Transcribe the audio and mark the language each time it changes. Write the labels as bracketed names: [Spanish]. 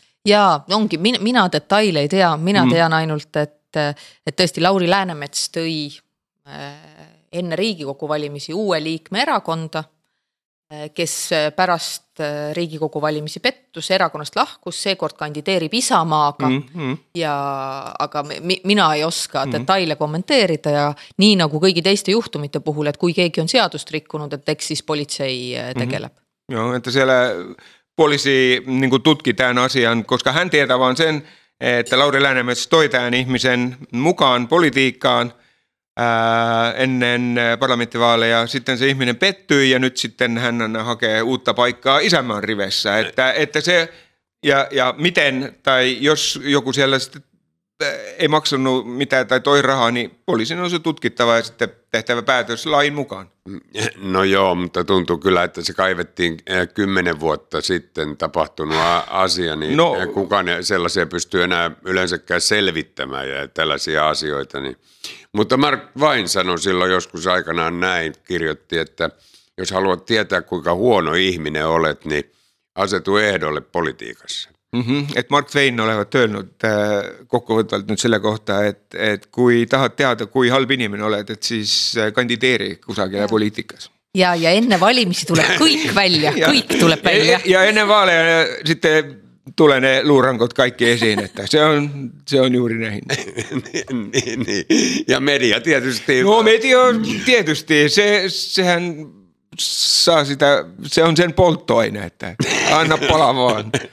[Estonian] Jaa, ongi, mina detaile ei tea, mina tean ainult, et tõesti Lauri Läänemets tõi enne riigikogu valimisi uue liikme erakonda, kes pärast riigikogu valimisi pettus, erakonnast lahkus, seekord kandideerib Isamaaga, aga mina ei oska detaile kommenteerida ja nii nagu kõigi teiste juhtumite puhul, et kui keegi on seadust rikkunud, et eks siis politsei tegeleb. [Finnish] Et selle poliisi niin kuin tutki tämän asian, koska hän tietää vaan sen, että Lauri Läänemets toi tämän ihmisen mukaan politiikkaan, ennen parlamenttivaaleja sitten se ihminen pettyi ja nyt sitten hän hakee uutta paikkaa isämaan rivessä, että se ja miten, tai jos joku siellä sitten ei maksanut mitään tai toi rahaa, niin poliisin on se tutkittava ja sitten tehtävä päätös lain mukaan. No joo, mutta tuntuu kyllä, että se kaivettiin 10 vuotta sitten tapahtunut asia, niin kukaan sellaisia pystyy enää yleensäkään selvittämään ja tällaisia asioita. Niin. Mutta Mark Twain sanoi silloin joskus aikanaan näin, kirjoitti, että jos haluat tietää, kuinka huono ihminen olet, niin asetu ehdolle politiikassa. [Estonian] Et Mark Twain olevat öelnud kokkuvõtvalt nyt selle kohta, et kui tahad teada, kui halb inimene oled, et siis kandideeri kusagile poliitikas. Ja enne valimisi tuleb kõik välja, kõik tuleb välja. [Finnish] Ja enne vaale ja sitten tulee ne luurangot kaikki esiin, että se on juuri näin. niin. Ja media tietysti. No media tietysti, sehän... Saa sitä, se on sen polttoaine, että anna pala vaan.